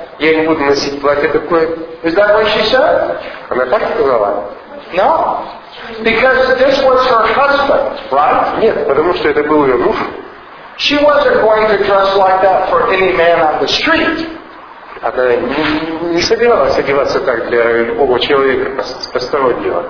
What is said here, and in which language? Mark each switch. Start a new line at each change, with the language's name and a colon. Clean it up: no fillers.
Russian: Я не буду носить платье такое.
English: Is that what she said?
Russian: Она так сказала?
English: No. Because this was her husband, right?
Russian: Нет, потому что это был ее муж.
English: She wasn't going to dress like that for any man on the street.
Russian: Она не собиралась одеваться так для любого человека постороннего.